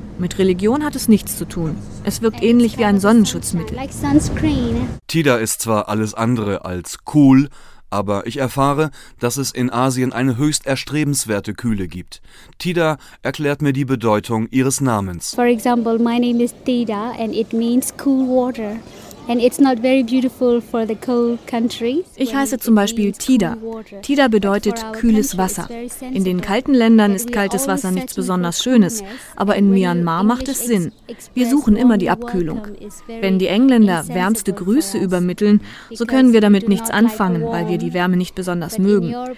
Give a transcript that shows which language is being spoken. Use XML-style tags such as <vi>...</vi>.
<de>Mit Religion hat es nichts zu tun. Es wirkt ähnlich wie ein Sonnenschutzmittel. Tida ist zwar alles andere als cool, aber ich erfahre, dass es in Asien eine höchst erstrebenswerte Kühle gibt. Tida erklärt mir die Bedeutung ihres Namens.</de> <en>For example, my name is Tida and it means cool water. And it's not very beautiful for the cold countries.</en> <de>Ich heiße zum Beispiel Tida. Tida bedeutet kühles Wasser. In den kalten Ländern ist kaltes Wasser nichts besonders Schönes, aber in Myanmar macht es Sinn. Wir suchen immer die Abkühlung. Wenn die Engländer wärmste Grüße übermitteln, so können wir damit nichts anfangen, weil wir die Wärme nicht besonders mögen.</de>